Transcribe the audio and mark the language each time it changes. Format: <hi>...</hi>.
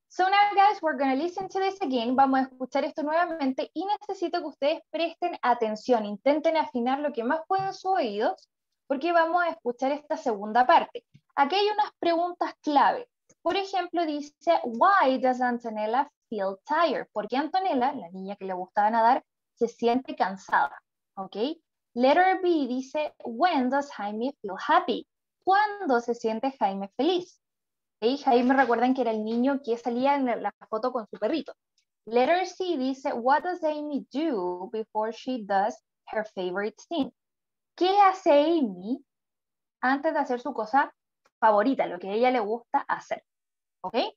<en>So now, guys, we're going to listen to this again.</en> <es>Vamos a escuchar esto nuevamente y necesito que ustedes presten atención. Intenten afinar lo que más puedan sus oídos porque vamos a escuchar esta segunda parte. Aquí hay unas preguntas clave. Por ejemplo, dice,</es> <en>why does Antonella feel tired?</en> <es>¿Por qué Antonella, la niña que le gustaba nadar, se siente cansada?</es> <en>¿Okay? Letter B dice, when does Jaime feel happy?</en> <es>¿Cuándo se siente Jaime feliz? Hey, Jaime, recuerden que era el niño que salía en la foto con su perrito.</es> <en>Letter C dice, what does Amy do before she does her favorite thing?</en> <es>¿Qué hace Amy antes de hacer su cosa favorita, lo que a ella le gusta hacer? ¿Ok?</es>